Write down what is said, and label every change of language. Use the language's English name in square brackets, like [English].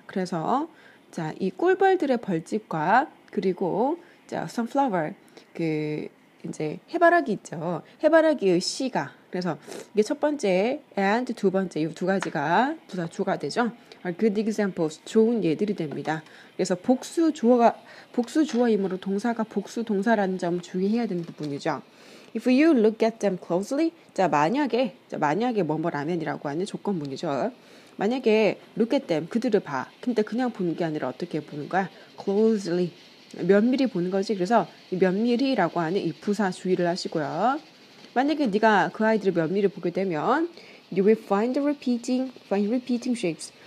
[Korean] 그래서 자, 이 꿀벌들의 벌집과 그리고 자, sunflower, 그 이제 해바라기 있죠. 해바라기의 씨가. 그래서 이게 첫 번째 and 두 번째 이 두 가지가 둘 다 주가 되죠. [English] Are good examples, [Korean] 좋은 예들이 됩니다. 그래서 복수 주어이므로 동사가 복수 동사라는 점 주의해야 되는 부분이죠. [English] If you look at them closely, [Korean] 자 만약에 뭐뭐라면이라고 하는 조건문이죠. 만약에 [English] look at them [Korean] 그들을 봐. 근데 그냥 보는 게 아니라 어떻게 보는 거야? Closely. 면밀히 보는 거지. 그래서 이 면밀히라고 하는 이 부사 주의를 하시고요. 만약에 네가 그 아이들을 면밀히 보게 되면 [English] you will find repeating shapes.